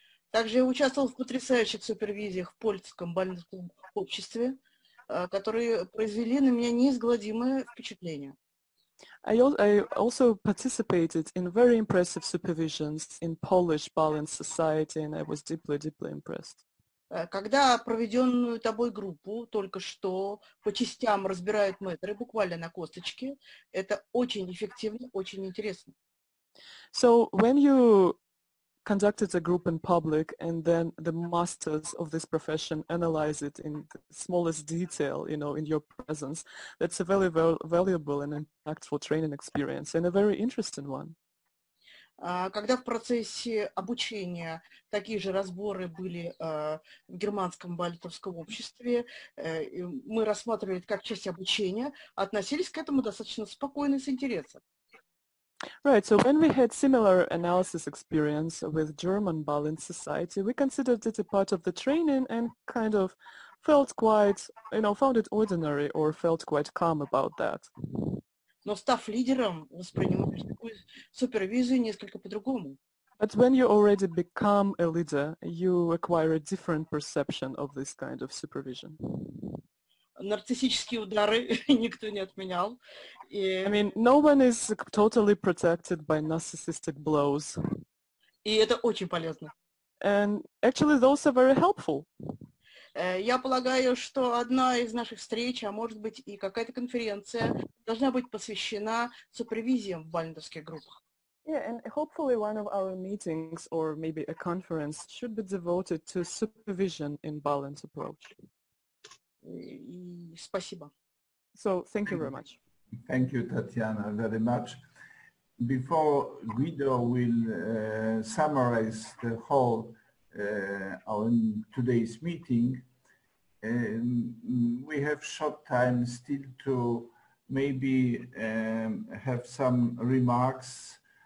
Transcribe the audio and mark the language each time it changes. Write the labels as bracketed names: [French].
[Russian] Также я участвовал в потрясающих супервизиях в польском балентовском обществе, которые произвели на меня неизгладимое впечатление. [English] I also participated in very impressive supervisions in Polish Balint society, and I was deeply, deeply impressed. [Russian] Когда проведенную тобой группу только что по частям разбирают метры, буквально на косточке, это очень эффективно, очень интересно. [English] So when you conducted a group in public, and then the masters of this profession analyze it in the smallest detail, you know, in your presence, that's a very, very valuable and impactful training experience, and a very interesting one. [Russian] Когда в процессе обучения такие же разборы были в германском балетовском обществе, мы рассматривали это как часть обучения, относились к этому достаточно спокойно и с интересом. [English] Right, so when we had similar analysis experience with German Balint Society, we considered it a part of the training and kind of felt quite, you know, found it ordinary or felt quite calm about that. [Russian] Но став лидером, воспринимаешь такую супервизию несколько по-другому. [English] But when you already become a leader, you acquire a different perception of this kind of supervision. [Russian] Нарциссические удары никто не отменял. [English] I mean, no one is totally protected by narcissistic blows. [Russian] И это очень полезно. [English] And actually, those are very helpful. [Russian] Я полагаю, что одна из наших встреч, а может быть и какая-то конференция, должна быть посвящена супервизиям в балентовских группах. [English] Yeah, and hopefully one of our meetings or maybe a conference should be devoted to supervision in Balint approach. [Russian] Спасибо. [English] So, thank you very much. Thank you, Tatiana, very much. Before Guido will summarize the whole on today's meeting, we have short time still to maybe have some remarks